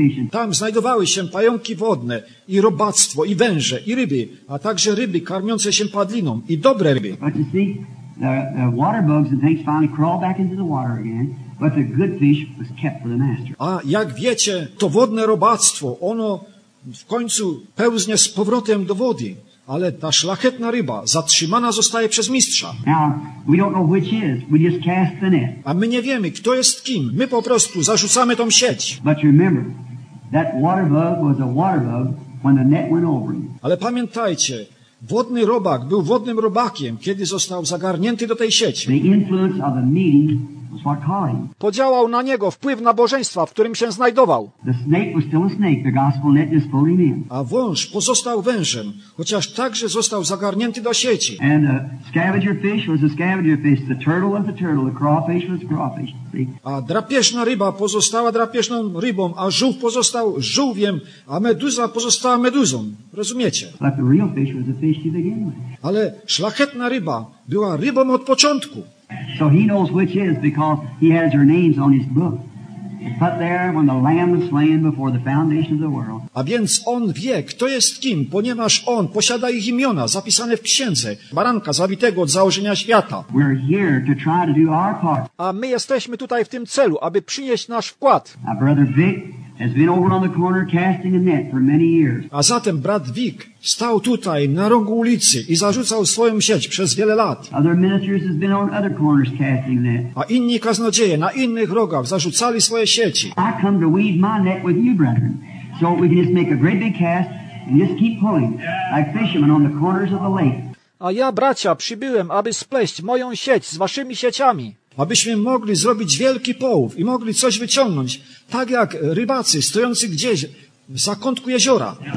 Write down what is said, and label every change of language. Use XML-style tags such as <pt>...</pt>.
<pl>Tam znajdowały się pająki wodne i robactwo, i węże, i ryby, a także ryby karmiące się padliną i dobre ryby.</pl> <en>The water bugs and things finally crawled back into the water again, but the good fish was kept for the master.</en> <pl>A jak wiecie, to wodne robactwo, ono w końcu pełznie z powrotem do wody, ale ta szlachetna ryba zatrzymana zostaje przez mistrza.</pl> <en>Now, we don't know which is. We just cast the net.</en> <pl>A my nie wiemy, kto jest kim. My po prostu zarzucamy tą sieć.</pl> <en>But remember, that water bug was a water bug when the net went over him.</en> <pl>Ale pamiętajcie, wodny robak był wodnym robakiem, kiedy został zagarnięty do tej sieci.</pl> <en>The influence of the meeting was what caught him.</en> <pl>Podziałał na niego wpływ nabożeństwa, w którym się znajdował.</pl> <en>The snake was still a snake. The gospel net just pulled him in.</en> <pl>A wąż pozostał wężem, chociaż także został zagarnięty do sieci.</pl> <en>And the scavenger fish was a scavenger fish. The turtle was a turtle. The crawfish was a crawfish.</en> <pl>A drapieżna ryba pozostała drapieżną rybą, a żółw pozostał żółwiem, a meduza pozostała meduzą. Rozumiecie?</pl> <en>But the real fish was a fish to begin with.</en> <pl>Ale szlachetna ryba była rybą od początku.</pl> <en>So he knows which is because he has her names on his book. Put there when the lamb was slain before the foundation of the world.</en> <pl>A więc on wie, kto jest kim, ponieważ on posiada ich imiona zapisane w księdze baranka zabitego od założenia świata.</pl> <en>We're here to try to do our part.</en> <pl>A my jesteśmy tutaj w tym celu, aby przynieść nasz wkład.</pl> <en>Our brother Vic has been over on the corner casting a net for many years.</en> <pl>A zatem brat Vic stał tutaj na rogu ulicy i zarzucał swoją sieć przez wiele lat.</pl> <en>Other ministers have been on other corners casting net.</en> <pl>A inni kaznodzieje na innych rogach zarzucali swoje sieci.</pl> <en>I come to weave my net with you, brethren, so we can just make a great big cast and just keep pulling like fishermen on the corners of the lake.</en> <pl>A ja, bracia, przybyłem, aby spleść moją sieć z waszymi sieciami, abyśmy mogli zrobić wielki połów i mogli coś wyciągnąć, tak jak rybacy stojący gdzieś w zakątku jeziora.</pl>